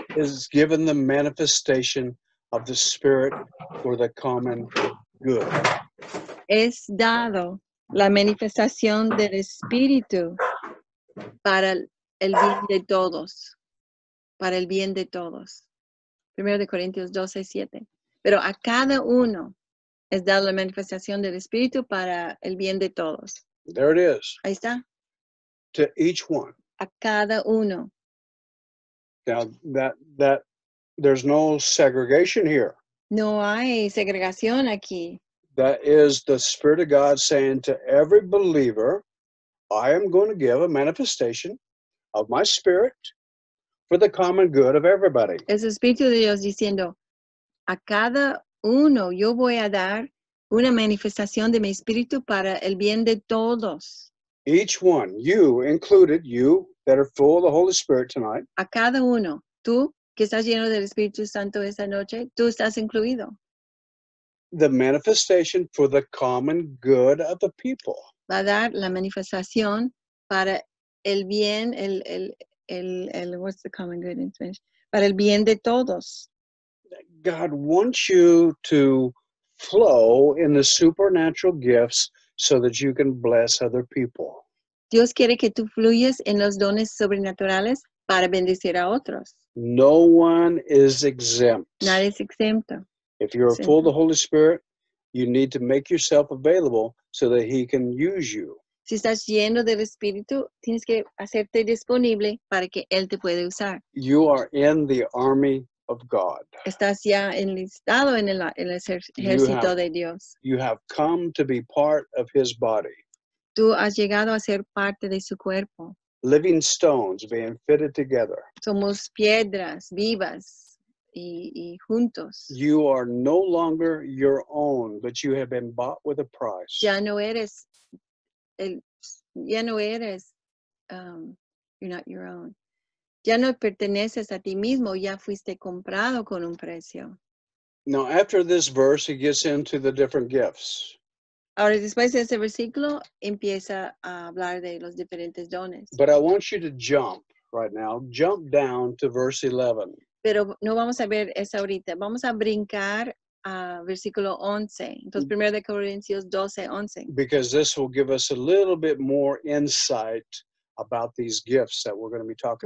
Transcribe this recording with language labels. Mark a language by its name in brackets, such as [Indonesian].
[English] is given the manifestation of the Spirit for the common good. [Spanish] Es dado la manifestación del Espíritu para el bien de todos. Para el bien de todos. 1 Corintios 12, 7. Pero a cada uno es dado la manifestación del Espíritu para el bien de todos. [English] There it is. [Spanish] Ahí está. [English] To each one. [Spanish] A cada uno. [English] Now, that there's no segregation here. [Spanish] No hay segregación aquí. [English] That is the Spirit of God saying to every believer, I am going to give a manifestation of my Spirit for the common good of everybody. [Spanish] Es el Espíritu de Dios diciendo, a cada uno yo voy a dar una manifestación de mi Espíritu para el bien de todos. [English] Each one, you included, you that are full of the Holy Spirit tonight. [Spanish] A cada uno, tú que estás lleno del Espíritu Santo esta noche, tú estás incluido. [English] The manifestation for the common good of the people. [Spanish] Va a dar la manifestación para el bien, el [English] what's the common good in Spanish? [Spanish] Para el bien de todos. [English] God wants you to flow in the supernatural gifts so that you can bless other people. [Spanish] Dios quiere que tú fluyas en los dones sobrenaturales para bendecir a otros. [English] No one is exempt. [Spanish] Nadie es exento. [English] If you're exempto. Full of the Holy Spirit, you need to make yourself available so that he can use you. [Spanish] Si estás lleno del Espíritu, tienes que hacerte disponible para que Él te pueda usar. [English] You are in the army of God. [Spanish] Estás ya enlistado en el ejército de Dios. [English] You have come to be part of His body. [Spanish] Tú has llegado a ser parte de su cuerpo. [English] Living stones being fitted together. [Spanish] Somos piedras vivas y juntos. [English] You are no longer your own, but you have been bought with a price. You're not your own. [Spanish] Ya no perteneces a ti mismo, ya fuiste comprado con un precio. [English] Now, after this verse, he gets into the different gifts. [Spanish] Ahora, después de ese versículo, empieza a hablar de los diferentes dones. [English] But I want you to jump right now. Jump down to verse 11. [Spanish] Pero no vamos a ver eso ahorita. Vamos a brincar a versículo 11. Entonces, 1 de Corintios 12, 11. [English] Because this will give us a little bit more insight about these gifts that we're going to be talking